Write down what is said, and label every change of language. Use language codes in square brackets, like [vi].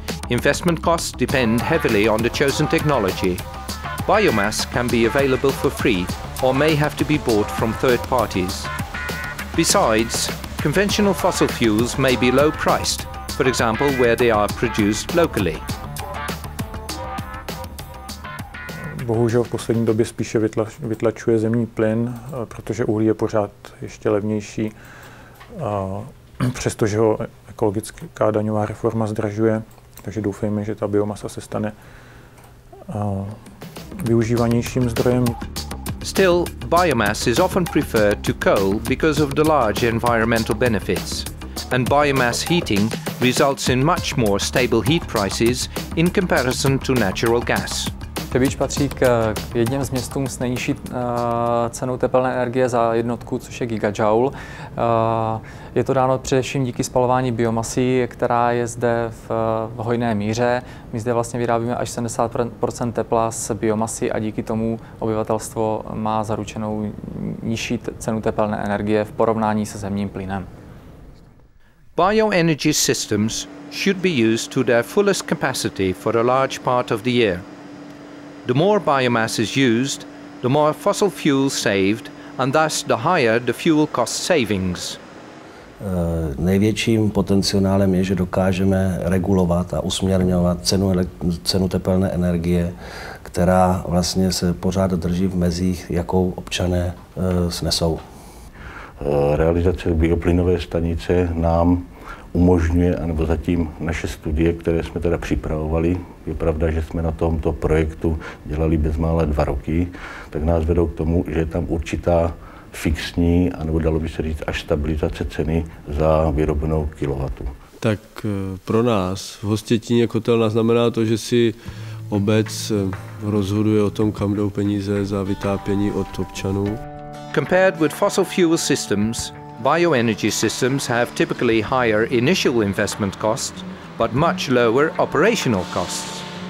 [en] Investment costs depend heavily on the chosen technology. Biomass can be available for free or may have to be bought from third parties. Besides, conventional fossil fuels may be low priced, for example, where they are produced locally. [cs] Bohužel v poslední době spíše vytlačuje zemní plyn, protože uhlí je pořád ještě levnější, přestože ho ekologická daňová reforma zdražuje, takže doufejme, že ta biomasa se stane využívanějším zdrojem. [en] Still, biomass is often preferred to coal because of the large environmental benefits. And biomass heating results in much more stable heat prices in comparison to natural gas. [cs] Třebíč patří k jedním z městům s nejnižší cenou tepelné energie za jednotku, což je gigajoule. Je to dáno především díky spalování biomasy, která je zde v hojné míře. My zde vlastně vyrábíme až 70% tepla z biomasy a díky tomu obyvatelstvo má zaručenou nižší cenu tepelné energie v porovnání se zemním plynem. [en] Bioenergy systems should be used to their fullest capacity for a large part of the year. The more biomass is used, the more fossil fuel saved, and thus the higher the fuel cost savings. [cs] Největším potenciálem je, že dokážeme regulovat a usměrňovat cenu tepelné energie, která vlastně se pořád drží v mezích, jakou občané snesou. Realizace bioplynové stanice nám umožňuje, anebo zatím naše studie, které jsme teda připravovali, je pravda, že jsme na tomto projektu dělali bezmála 2 roky, tak nás vedou k tomu, že je tam určitá fixní, anebo dalo by se říct, až stabilizace ceny za vyrobenou kilowattu. Tak pro nás v Hostětině kotelna znamená to, že si obec rozhoduje o tom, kam jdou peníze za vytápění od občanů. [en] Compared with fossil fuel systems, bioenergy systems have typically higher initial investment costs, but much lower operational costs.